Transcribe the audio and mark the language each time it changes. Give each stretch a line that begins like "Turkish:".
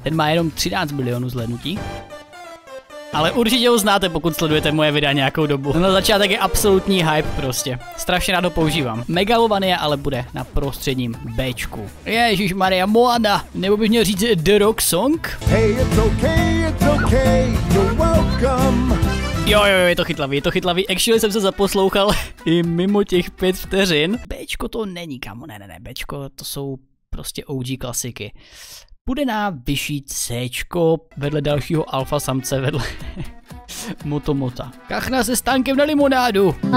Czech: Ten má jenom 13 milionů zhlédnutí. Ale určitě ho znáte, pokud sledujete moje videa nějakou dobu. Na začátek je absolutní hype prostě. Strašně rád ho používám. Megalovanie ale bude na prostředním Bčku. Ježíš Maria, Moana, nebo bych měl říct The Rock Song?
English: Hey, it's okay, you're welcome.
Czech: Jo, je to chytlavý. Actually jsem se zaposlouchal i mimo těch 5 vteřin. Bčko to není, kamo, ne. Bčko to jsou prostě OG klasiky. Bude na vyšší Cčko vedle dalšího alfa samce, vedle Motomota. Kachna se stánkem na limonádu.